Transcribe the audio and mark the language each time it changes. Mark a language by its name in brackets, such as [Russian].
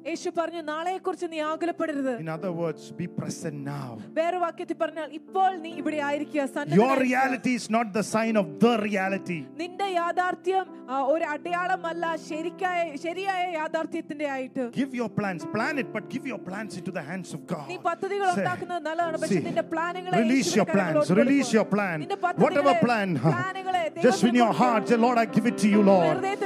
[Malayalam] യേശു പറഞ്ഞു നാളെയെ കുറിച്ച് നീ ആകുലപ്പെടരുത്. [English] In other words, be present now. [Malayalam] വേറെ വാക്യത്തിൽ പറഞ്ഞാൽ ഇപ്പോൾ നീ ഇവിടെ ആയിരിക്കുക. [English] Your reality is not the sign of the reality. [Malayalam] നിന്റെ യാഥാർത്ഥ്യം ഒരു അടയാളമല്ല ശരിയായ യാഥാർത്ഥ്യത്തിന്റെ ആയിട്ട്. [English] Give your plans, plan it, but give your plans into the hands of God. [Malayalam] നീ പദ്ധതികൾ ഉണ്ടാക്കുന്നത് നല്ലതാണ് പക്ഷേ നിന്റെ പ്ലാനുകളെ [English] release your plans, release your plan. Whatever plan. Just in your heart, say, Lord, I give it to you, Lord.